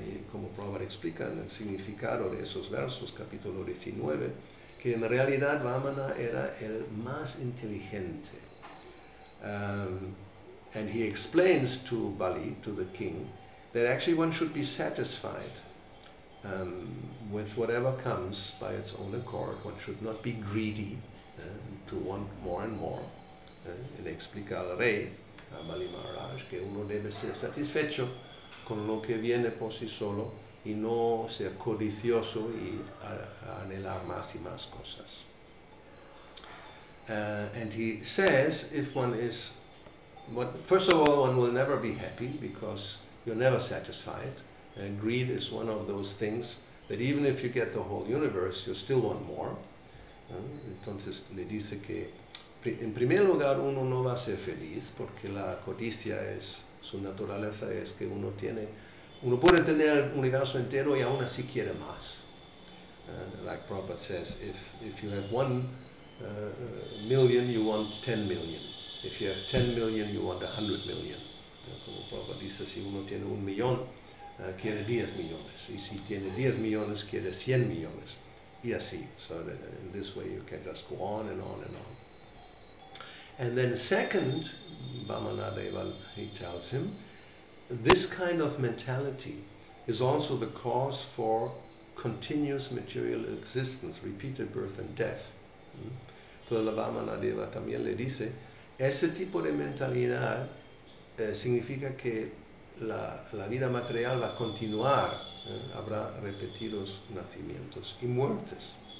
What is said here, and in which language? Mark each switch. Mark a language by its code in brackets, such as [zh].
[es] Como Prabhupada explica en el significado de esos versos, capítulo 19, que en realidad Vamana era el más inteligente. [en] And he explains to Bali, to the king, that actually one should be satisfied with whatever comes by its own accord. One should not be greedy to want more and more. [es] Él explica al rey, a Bali Maharaj, que uno debe ser satisfecho con lo que viene por sí solo y no ser codicioso y anhelar más y más cosas. [en] And he says, if one is, first of all, one will never be happy because you're never satisfied. And greed is one of those things that even if you get the whole universe, you still want more. [es] Entonces le dice que en primer lugar uno no va a ser feliz porque la codicia es su naturaleza, es que uno puede tener el universo entero y aún así quiere más. [en] Like Prabhupada says, if you have 1 million, you want 10 million. If you have 10 million, you want 100 million. [es] Como Prabhupada dice, si uno tiene un millón, quiere 10 millones. Y si tiene 10 millones, quiere 100 millones. Y así. [en] So that in this way, you can just go on and on and on. And then second, Vamana Deval, he tells him, this kind of mentality is also the cause for continuous material existence, repeated birth and death. [es] Entonces la Vamana Deva también le dice, ese tipo de mentalidad significa que la vida material va a continuar, habrá repetidos nacimientos y muertes.